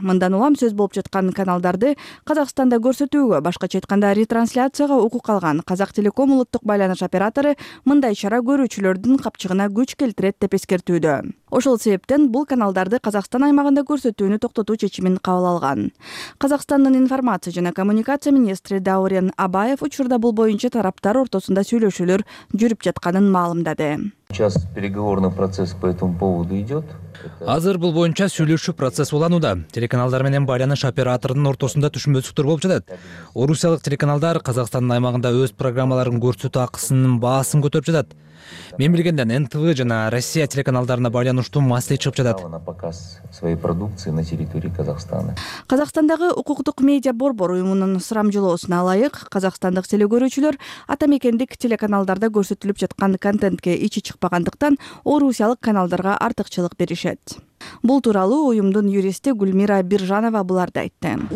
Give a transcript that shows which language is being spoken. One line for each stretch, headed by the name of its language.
Kyrgyz: Мындан улам сөз болуп жаткан каналдарды Казакстанда көрсөтүүгө, башкача айтканда ретрансляцияга укук алган Казак Телеком улуттук байланыш оператору мындай чара көрүүчүлөрдүн капчыгына күч келтирет деп эскертүүдө. Ошол себептен бул каналдарды Казакстан аймагында көрсөтүүнү токтотуу чечимин кабыл алган. Казакстандын информация жана коммуникация министри Даурен Абаев учурда бул боюнча тараптар ортосунда сүйлөшүүлөр жүрүп жатканын маалымдады.
Russian: Сейчас переговорный процесс по этому поводу идет.
Kyrgyz: Азыр бул боюнча сүйлөшүү процесси уланууда. Телеканалдар менен байланыш операторунун ортосунда түшүнбөзүктөр болуп жатат. Орусиялык телеканалдар Казакстандын аймагында өз программаларын көрсөтүү акысынын баасын көтөрүп жатат. Мен билгенден НТВ жана Россия телеканалдарына байланыштуу маселе чыгып жатат.
Russian: На показ своей продукции на территории Казахстана.
Kyrgyz: Казахстандагы укуктук медиа борбор уюмунун сурамжылоосуна ылайык, казахстандык телекөрүүчүлөр атамекендик телеканалдарда көрсөтүлүп жаткан контентке ичи чыкпагандыктан орусиялык каналдарга артыкчылык беришет. Бул тууралуу уюмдун юристи Гүлмира Биржанова буларды айтты.